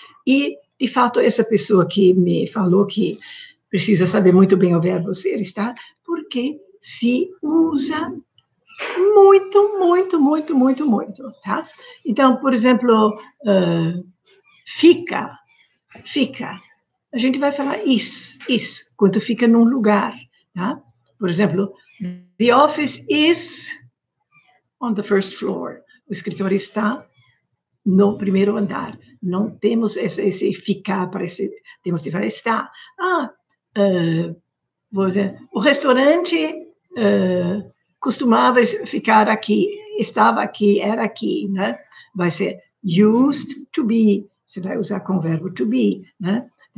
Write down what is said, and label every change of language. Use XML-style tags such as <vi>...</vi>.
<pt>E, de fato, essa pessoa que me falou que precisa saber muito bem o verbo ser, está, porque se usa muito, muito, muito, muito, muito, tá? Então, por exemplo, fica. A gente vai falar is, quando fica num lugar, tá? Por exemplo,</pt> <en>the office is on the first floor.</en> <pt>O escritório está no primeiro andar. Não temos esse ficar, parece, temos que falar está. Ah, vou dizer, o restaurante... costumava ficar aqui, estava aqui, era aqui, né? Vai ser</pt> <en>used to be,</en> <pt>você vai usar com o verbo to be, né?</pt>